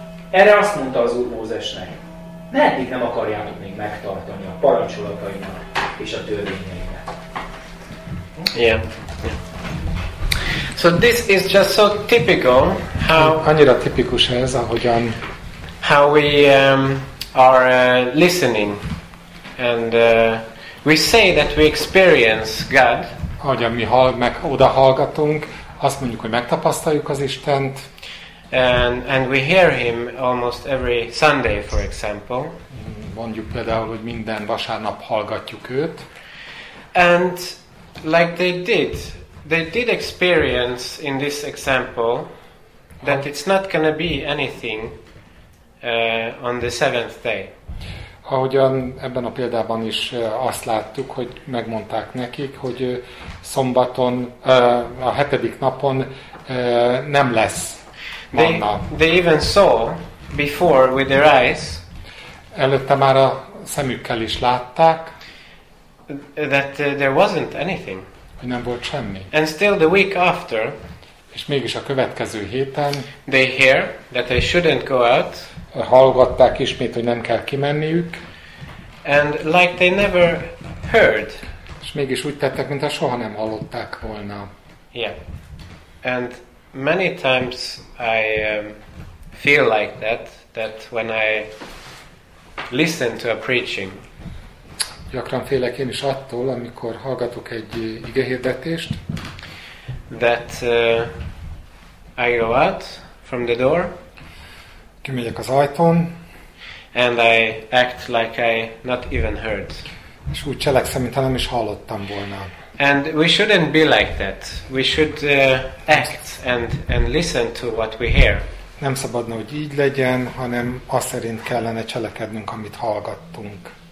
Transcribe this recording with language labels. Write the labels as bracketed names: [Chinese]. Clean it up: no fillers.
[Hungarian] Erre azt mondta az Úr Mózesnek, meddig nem akarjátok még megtartani a parancsolatainak és a törvényeinek. [English] Igen. So this is just so typical, how... [Hungarian] Annyira tipikus ez, ahogyan... [English] How we... are listening and we say that we experience God. [Hungarian] Ahogyan mi meg oda hallgatunk, azt mondjuk, hogy megtapasztaljuk az Istent. [English] And we hear him almost every Sunday, for example. [Hungarian] Mondjuk például, hogy minden vasárnap hallgatjuk őt. [English] And like they did experience in this example that it's not gonna be anything on the seventh day. [Hungarian] ahogyan ebben a példában is azt láttuk, hogy megmondták nekik, hogy szombaton, a hetedik napon nem lesz manna. [English] They even saw before with their eyes. [Hungarian] Előtte már a szemükkel is látták. [English] That there wasn't anything. [Hungarian] Hogy nem volt semmi. [English] And still the week after. [Hungarian] És mégis a következő héten. [English] They hear that they shouldn't go out. [Hungarian] Hallgatták ismét, hogy nem kell kimenniük. [English] And like they never heard. [Hungarian] És mégis úgy tettek, mintha soha nem hallották volna. Yeah. [English] And many times I feel like that, that when I listen to a preaching. [Hungarian] Gyakran félek én is attól, amikor hallgatok egy igehirdetést. [English] That I go out from the door. [Hungarian] Kimegyek az ajtón. [English] And I act like I not even heard. [Hungarian] És úgy cselekszem, mintha nem is hallottam volna. [English] And we shouldn't be like that. We should act and listen to what we hear. [Hungarian] Nem szabadna, hogy így legyen, hanem azt szerint kellene cselekednünk, amit hallgattunk.